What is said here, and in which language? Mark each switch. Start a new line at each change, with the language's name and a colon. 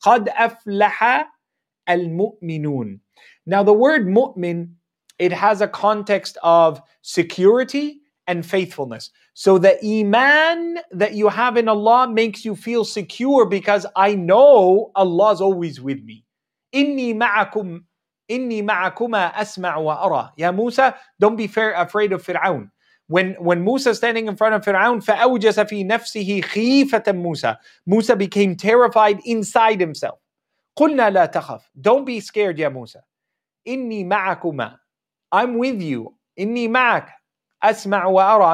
Arabic: قَدْ أَفْلَحَ الْمُؤْمِنُونَ.
English: Now the word mu'min, it has a context of security and faithfulness. So the iman that you have in Allah makes you feel secure because I know Allah's always with me.
Arabic: إِنِّي مَعَكُمْ إني معكما أسمع وأرى. يا موسى,
English: don't be afraid of Fir'aun. When Musa is standing in front of Fir'aun,
Arabic: فأوجس في نفسه خيفة موسى.
English: Musa became terrified inside himself.
Arabic: قلنا لا تخف.
English: Don't be scared,
Arabic: يا موسى. إني معكما.
English: I'm with you.
Arabic: إني معك. أسمع وأرى.